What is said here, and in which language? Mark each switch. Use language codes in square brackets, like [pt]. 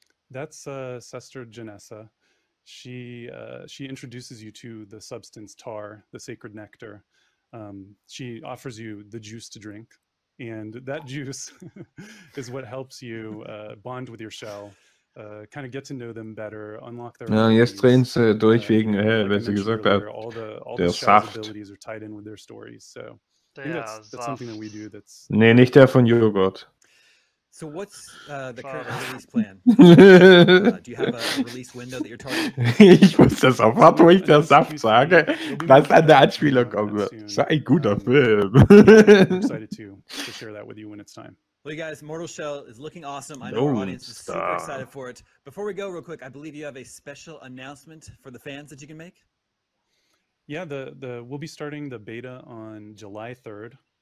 [en] That's Sester Janessa. She introduces you to the substance tar, the sacred nectar. She offers you the juice to drink, and that juice is what helps you bond with your shell, kind of get to know them better, unlock their. [de] Ja, jetzt drehen sie durch wegen, wenn sie gesagt hat, der Saft. [en] Abilities are tied in with their stories, so that's something that we do. That's [de] nee, nicht der von Joghurt. [en] So what's the current release plan? Do you have a release window that you're targeting? [de] Ich wusste sofort, wo ich der Saft sage, dass eine Anspielung kommen wird. Sei ein guter Film. [en] Excited to share that with you when it's time. Well, you guys, Mortal Shell is looking awesome. I know our audience is super excited for it. Before we go real quick, I believe you have a special announcement for the fans that you can make. Yeah, the we'll be starting the beta on July 3rd.